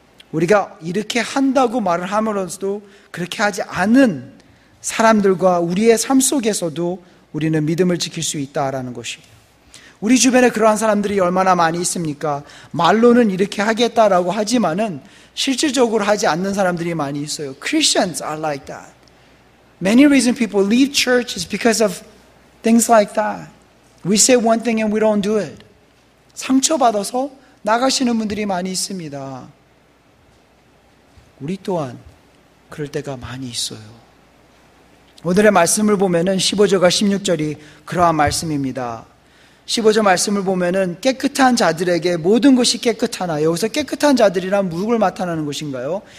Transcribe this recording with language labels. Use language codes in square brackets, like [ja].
[ko] 우리가 이렇게 한다고 말을 하면서도 그렇게 하지 않은 사람들과 우리의 삶 속에서도 우리는 믿음을 지킬 수 있다라는 것입니다. 우리 주변에 그러한 사람들이 얼마나 많이 있습니까? 말로는 이렇게 하겠다라고 하지만은 실질적으로 하지 않는 사람들이 많이 있어요. [en] Christians are like that. Many reasons people leave church is because of things like that. We say one thing and we don't do it. [ko] 상처받아서 나가시는 분들이 많이 있습니다. 우리 또한 그럴 때가 많이 있어요. 오늘의 말씀을 보면은 15절과 16절이 그러한 말씀입니다. 15절 말씀을 보면은 깨끗한 자들에게 모든 것이 깨끗하나, 여기서 깨끗한 자들이란 무엇을 나타나는 것인가요?